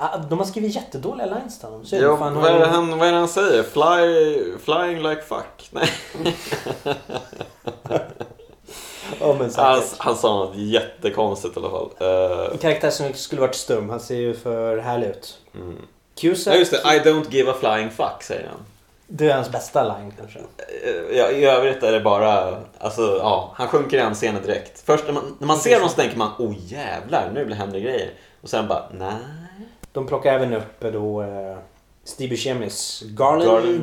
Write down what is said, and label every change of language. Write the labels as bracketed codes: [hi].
[sv] De har skrivit jättedåliga lines till honom. Vad är han säger? [en] Flying like fuck. [sv] Nej. Oh, men han sa något jättekonstigt i alla fall. En karaktär som skulle varit stum. Han ser ju för härlig ut. Mm. Cusack, ja, just det. [en] I don't give a flying fuck, [sv] säger han. Det är hans bästa line, kanske. Ja, i övrigt är det bara... Alltså, ja, han sjunker i en scen direkt. Först när man ser honom så tänker man, [en] oh [sv] jävlar, nu blir det hemliga grejer. Och sen bara, nej. De plockar även upp då Steve Buscemis Garland